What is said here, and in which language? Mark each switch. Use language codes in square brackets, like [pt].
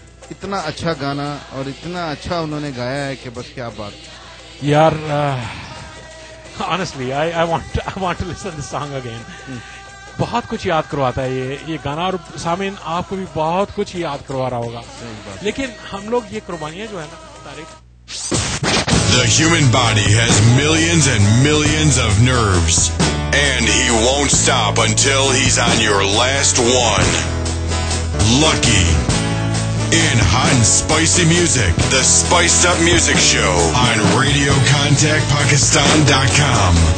[ur] اتنا اچھا گانا اور اتنا اچھا انہوں نے گایا ہے کہ بس کیا بات یار. [en] Honestly, I want to listen this song again. [ur] بہت کچھ یاد کرواتا ہے یہ گانا اور سامعین آپ کو بھی بہت کچھ یاد کروا رہا ہوگا. لیکن ہم لوگ یہ قربانیاں جو ہے نا تاریخ. [en] The human body has millions and millions of nerves and he won't stop until he's on your last one. Lucky in hot and spicy music, the Spiced Up Music Show on Radio Contact Pakistan.com.